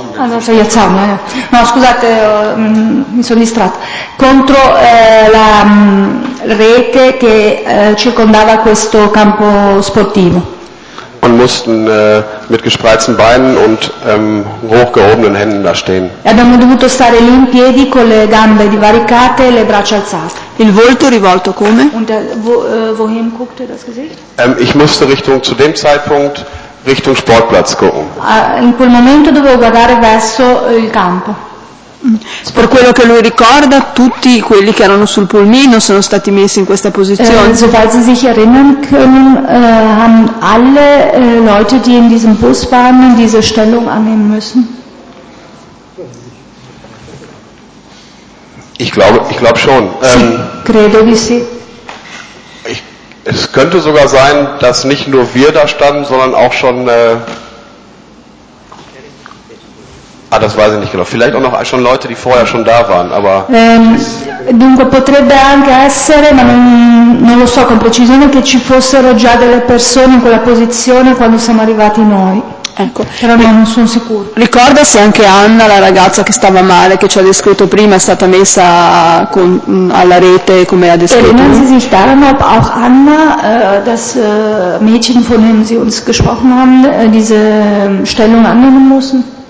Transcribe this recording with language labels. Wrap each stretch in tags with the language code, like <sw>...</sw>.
<it>Scusate, mi sono distratta. Contro la rete che circondava questo campo sportivo.</it> <de>Und mussten mit gespreizten Beinen und hochgehobenen Händen da stehen.</de> <it>Abbiamo dovuto stare lì in piedi con le gambe divaricate e le braccia alzate. Il volto rivolto come?</it> <de>Und wohin guckte das Gesicht? Ich musste Richtung zu dem Zeitpunkt Richtung Sportplatz gucken.</de> <it>In quel momento dovevo guardare verso il campo. Per quello che lui ricorda, tutti quelli che erano sul pulmino sono stati messi in questa posizione.</it> <de>Soweit sie sich erinnern können, haben alle Leute, die in diesem Bus waren, in diese Stellung annehmen müssen. Ich glaube schon.</de> <it>Credo di sì.</it> <de>Es könnte sogar sein, dass nicht nur wir da standen, sondern auch schon. Das weiß ich nicht genau. Vielleicht auch noch schon Leute, die vorher schon da waren, aber.</de> <it>Dunque potrebbe anche essere, ma non lo so con precisione, che ci fossero già delle persone in quella posizione quando siamo arrivati noi. Ecco, però non sono sicuro. Ricorda se anche Anna, la ragazza che stava male, che ci ha descritto prima, è stata messa alla rete come ha descritto.</it> <de>Erinnern Sie sich daran, ob auch Anna, das Mädchen, von dem Sie uns gesprochen haben, diese Stellung annehmen mussten?</de>